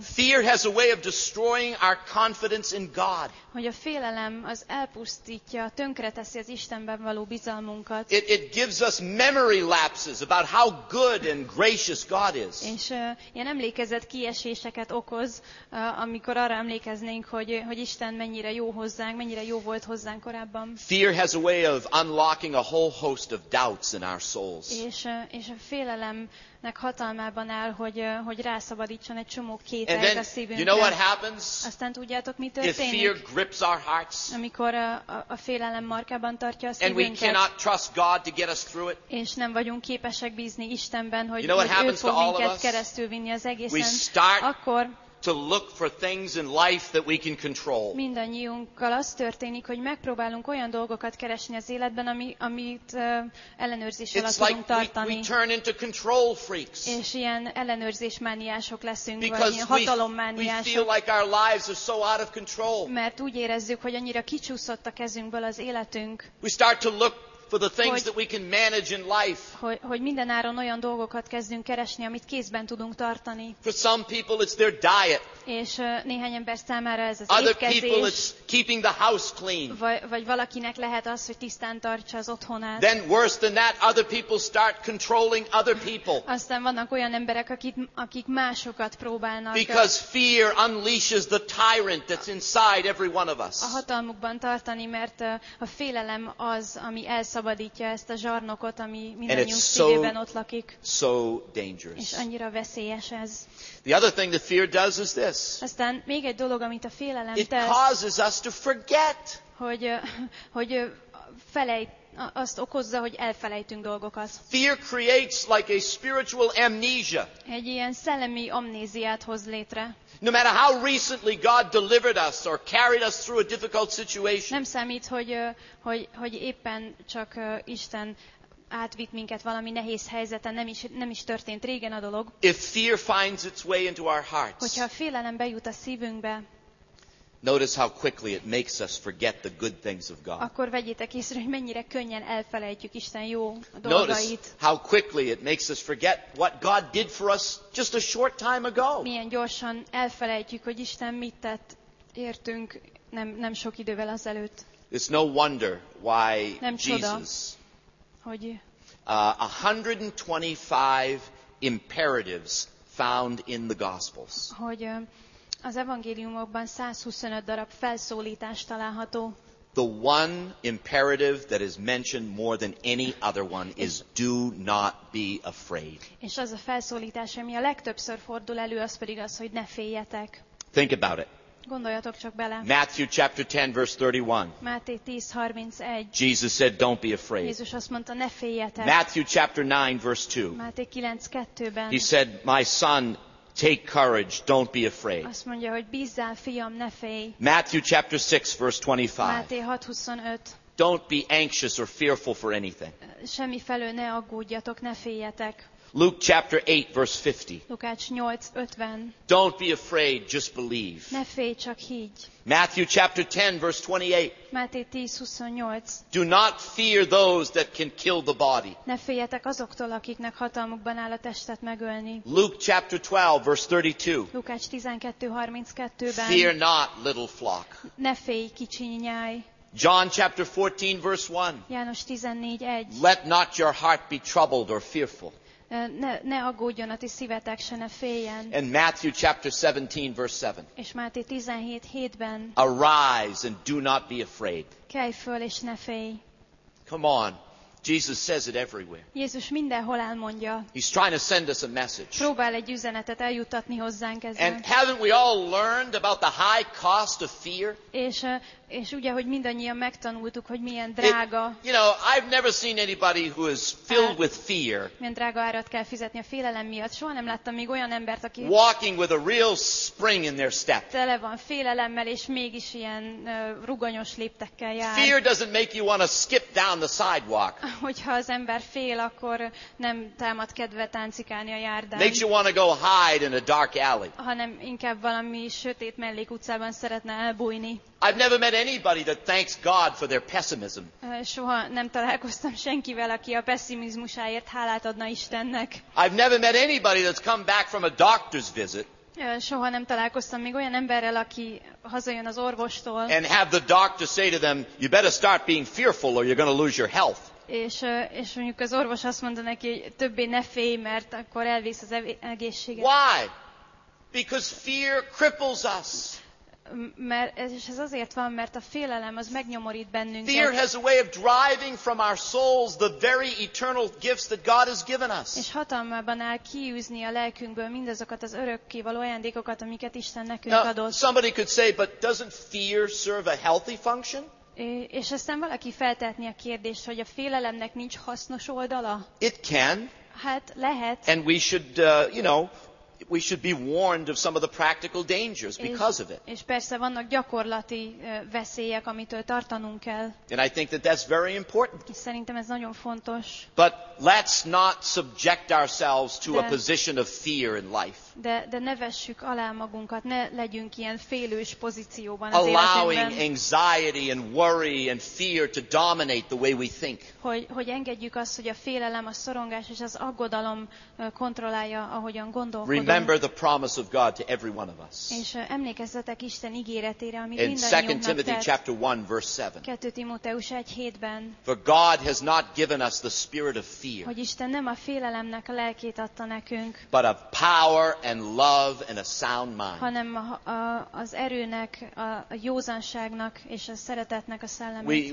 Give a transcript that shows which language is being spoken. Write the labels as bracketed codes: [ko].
[en] Fear has a way of destroying our confidence in God. [hu] Hogy a félelem az elpusztítja, tönkreteszi az Istenben való bizalmunkat. [en] It gives us memory lapses about how good and gracious God is. [hu] És ilyen emlékezet kieséseket okoz, amikor arra emlékeznénk, hogy Isten mennyire jó hozzánk, mennyire jó volt hozzánk korábban. [en] Fear has a way of unlocking a whole host of doubts in our souls. [hu] És a félelem hatalmában áll, hogy rászabadítson egy csomó kételt a szívünkre. [en] You know what happens? [hu] Aztán tudjátok, mi történik? [en] If fear grips our hearts, [hu] amikor a félelem markában tartja a szívünket, [en] and we cannot trust God to get us through it, [hu] és nem vagyunk képesek bízni Istenben, hogy [en] you know what happens [hu] ő fog [en] to all [hu] minket [en] of us? [hu] Keresztül vinni az egészen, [en] we start [hu] akkor [en] to look for things in life that we can control. [hu] Mindannyiunkkal az történik, hogy megpróbálunk olyan dolgokat keresni az életben, amit ellenőrzés alatt tudunk [en] like [hu] tartani. [en] We turn into control freaks. [hu] És ilyen ellenőrzésmániások leszünk, [en] because [hu] vagy hatalommániások. [en] We feel like our lives are so out of control. [hu] Mert úgy érezzük, hogy annyira kicsúszott a kezünkből az életünk. [en] We start to look for the things that we can manage in life. [hu] Hogy mindenáron olyan dolgokat kezdünk keresni, amit kézben tudunk tartani. [en] For some people it's their diet. [hu] És néhány ember számára ez az étkezés. [en] Other people it's keeping the house clean. [hu] Vagy valakinek lehet az, hogy tisztán tartsa az otthonát. [en] Then worse than that, other people start controlling other people. [hu] Aztán vannak olyan emberek, akik másokat próbálnak. [en] Because fear unleashes the tyrant that's inside every one of us. [hu] A hatalmukban tartani, mert a félelem az, ami elszabadítja ezt a zsarnokot, ami mindannyiunk szívében ott lakik. [en] So dangerous. [hu] És annyira veszélyes ez. [en] The other thing the fear does is this. [hu] Aztán még egy dolog, amit a félelem tesz. [en] It causes us to forget. [hu] Hogy felejt, azt okozza, hogy elfelejtünk dolgokat. [en] Fear creates like a spiritual amnesia. [hu] Egy ilyen szellemi amnéziát hoz létre. [en] No matter how recently God delivered us or carried us through a difficult situation. [hu] Nem számít, hogy éppen csak Isten átvitt minket valami nehéz helyzeten, nem is történt régen a dolog. [en] If fear finds its way into our hearts. [hu] Hogyha a félelem bejut a szívünkbe. [en] Notice how quickly it makes us forget the good things of God. [hu] Akkor vegyétek észre, hogy mennyire könnyen elfelejtjük Isten jó dolgait. [en] Notice how quickly it makes us forget what God did for us just a short time ago. [hu] Milyen gyorsan elfelejtjük, hogy Isten mit tett értünk nem sok idővel azelőtt. [en] It's no wonder why [hu] nem [en] Jesus. [hu] Hogy [en] 125 imperatives found in the Gospels. [hu] Hogy az evangéliumokban 125 darab felszólítás található. [en] The one imperative that is mentioned more than any other one is do not be afraid. [hu] És az a felszólítás, ami a legtöbbször fordul elő, az pedig az, hogy ne féljetek. [en] Think about it. [hu] Gondoljatok csak bele. [en] Matthew chapter 10 verse 31. [hu] Máté 10:31. [en] Jesus said don't be afraid. [hu] Jézus azt mondta ne féljetek. [en] Matthew chapter 9 verse 2. [hu] Máté 9:2-ben. [en] He said my son take courage, don't be afraid. [hu] Azt mondja, hogy bízzál, fiam, ne félj. [en] Matthew chapter 6 verse 25. [hu] Máté 6:25. [en] Don't be anxious or fearful for anything. [hu] Semmi felől ne aggódjatok, ne féljetek. [en] Luke chapter 8 verse 50. [hu] Lukács 8:50. [en] Don't be afraid, just believe. [hu] Ne félj, csak higgy. [en] Matthew chapter 10 verse 28. [hu] Máté 10:28. [en] Do not fear those that can kill the body. [hu] Ne féljetek azoktól, akiknek hatalmukban áll a testet megölni. [en] Luke chapter 12 verse 32. [hu] Lukács 12:32-ben. [en] Fear not, little flock. [hu] Ne félj, kicsi nyáj. [en] John chapter 14 verse 1. [hu] János 14:1. [en] Let not your heart be troubled or fearful. [hu] Ne aggódjon a ti szívetek, se ne féljen. [en] And Matthew chapter 17 verse 7. [hu] És Máté 17:7-ben. [en] Arise and do not be afraid. [hu] Kelj föl és ne félj. [en] Come on. Jesus says it everywhere. [hu] Jézus mindenhol elmondja. [en] He's trying to send us a message. [hu] Próbál egy üzenetet eljuttatni hozzánk ezzel. [en] And haven't we all learned about the high cost of fear? [hu] És ugye, hogy mindannyian megtanultuk, hogy milyen drága. [en] You know, I've never seen anybody who is filled with fear. [hu] Milyen drága árat kell fizetni a félelem miatt. Soha nem láttam még olyan embert, aki [en] walking with a real spring in their step. [hu] Tele van félelemmel, és mégis ilyen ruganyos léptekkel jár. [en] Fear doesn't make you want to skip down the sidewalk. [hu] Hogyha az ember fél, akkor nem támad kedve táncikálni a járdán. [en] Makes you want to go hide in a dark alley. [hu] Hanem inkább valami sötét mellékutcában szeretne elbújni. [en] I've never met anybody that thanks God for their pessimism. [hu] Soha nem találkoztam senkivel, aki a pessimizmusáért hálát adna Istennek. [en] I've never met anybody that's come back from a doctor's visit. [hu] Soha nem találkoztam még olyan emberrel, aki hazajön az orvostól. [en] And have the doctor say to them, you better start being fearful or you're going to lose your health. [hu] És mondjuk az orvos azt mondta neki, hogy többé ne félj, mert akkor elvész az egészséged. [en] Why? Because fear cripples us. [hu] Mert és ez azért van, mert a félelem az megnyomorít bennünket. [en] Fear has a way of driving from our souls the very eternal gifts that God has given us. [hu] És hatalmában áll kiűzni a lelkünkből mindazokat az örökkévaló ajándékokat, amiket Isten nekünk adott. [en] Somebody could say, but doesn't fear serve a healthy function? [hu] És aztán valaki feltetni a kérdést, hogy a félelemnek nincs hasznos oldala? [en] It can. [hu] Hát lehet. [en] And we should, you know, we should be warned of some of the practical dangers because of it. [hu] És persze vannak gyakorlati veszélyek, amitől tartanunk kell. [en] And I think that that's very important. [hu] És szerintem ez nagyon fontos. [en] But let's not subject ourselves to a position of fear in life. [hu] De ne vessük alá magunkat, ne legyünk ilyen félős pozícióban az életünkben. [en] Allowing anxiety and worry and fear to dominate the way we think. [hu] Hogy engedjük azt, hogy a félelem, a szorongás és az aggodalom kontrollálja, ahogyan gondolkodunk. [en] Remember the promise of God to every one of us. [hu] És emlékezzetek Isten ígéretére, amit mindannyiunknak tett. [en] 2 Timothy chapter 1 verse 7. [hu] 2 Timóteus 1:7-ben. [en] For God has not given us the spirit of fear. [hu] Hogy Isten nem a félelemnek a lelkét adta nekünk. [en] But of power and love and a sound mind. [hu] Hanem az erőnek, a józanságnak és a szeretetnek a szellemét.